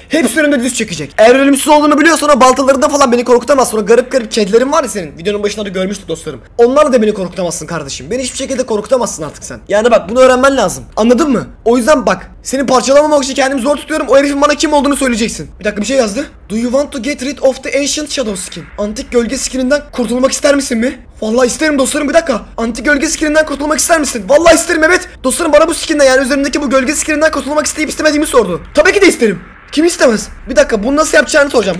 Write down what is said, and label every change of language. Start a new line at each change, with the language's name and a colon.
Turkish: Hepsi önümde diz çekecek. Eğer ölümsüz olduğunu biliyorsan o baltalarından falan beni korkutamazsın. O garip kedilerin var ya senin. Videonun başında da görmüştük dostlarım. Onlarla da beni korkutamazsın kardeşim. Beni hiçbir şekilde korkutamazsın artık sen. Yani bak, bunu öğrenmen lazım. Anladın mı? O yüzden bak, seni parçalamamak için kendimi zor tutuyorum. O herifin bana kim olduğunu söyleyeceksin. Bir dakika, bir şey yazdı.
English: Do you want to get rid of the ancient shadow skin?
Turkish: Antik gölge skininden kurtulmak ister misin mi? Vallahi isterim dostlarım, bir dakika. Antik gölge skininden kurtulmak ister misin? Vallahi isterim, evet. Dostlarım bana bu skinden, yani üzerimdeki bu gölge skininden kurtulmak isteyip istemediğimi sordu. Tabii ki de isterim. Kim istemez? Bir dakika, bunu nasıl yapacağını soracağım.